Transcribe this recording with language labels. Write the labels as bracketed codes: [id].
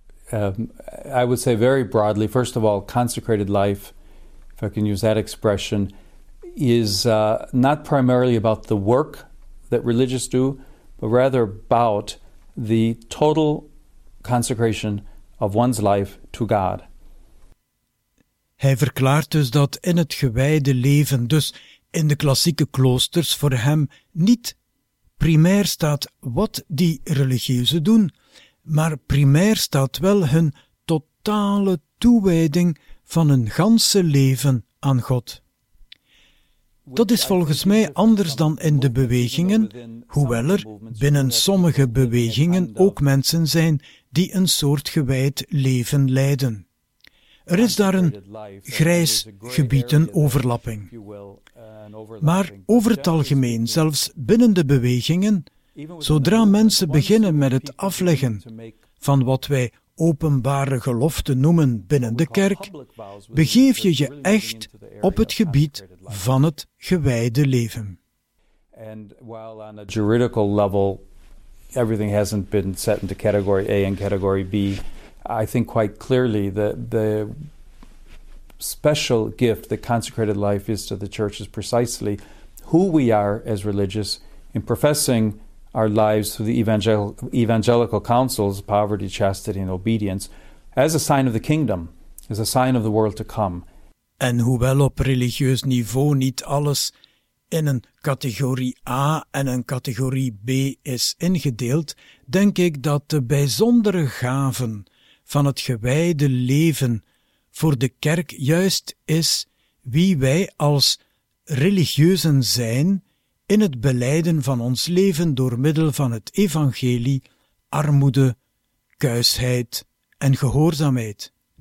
[en] I would say very broadly, first of all, consecrated life, if I can use that expression, is not primarily about the work that religious do, but rather about the total consecration of one's life to God. [nl] Hij verklaart dus dat in het gewijde leven, dus in de klassieke kloosters, voor hem niet primair staat wat die religieuzen doen, maar primair staat wel hun totale toewijding van hun ganse leven aan God. Dat is volgens mij anders dan in de bewegingen, hoewel er binnen sommige bewegingen ook mensen zijn die een soort gewijd leven leiden. Er is daar een grijs gebied, een overlapping. Maar over het algemeen, zelfs binnen de bewegingen, zodra mensen beginnen met het afleggen van wat wij openbare geloften noemen binnen de kerk, begeef je je echt op het gebied van het gewijde leven. [en] En while on a juridical level everything hasn't been set into category A and category B, I think quite clearly the special gift that consecrated life is to the church is precisely who we are as religious in professing our lives through the evangelical councils, poverty, chastity and obedience, as a sign of the kingdom, as a sign of the world to come. [nl] En hoewel op religieus niveau niet alles in een categorie A en een categorie B is ingedeeld, denk ik dat de bijzondere gaven van het gewijde leven voor de kerk juist is wie wij als religieuzen zijn in het beleiden van ons leven door middel van het evangelie, armoede, kuisheid en gehoorzaamheid.